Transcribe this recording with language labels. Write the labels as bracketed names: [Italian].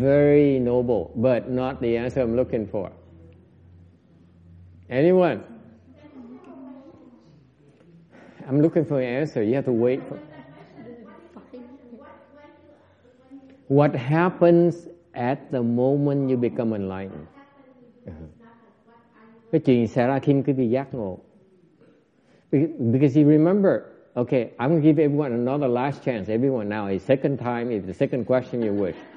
[English] Very noble, but not the answer I'm looking for. Anyone? I'm looking for an answer. You have to wait for what happens at the moment you become enlightened. [Vietnamese] Cái chuyện xảy ra khi quý vị giác ngộ. [English] Because you remember, okay, I'm going to give everyone another last chance. Everyone now, a second time, the second question you wish.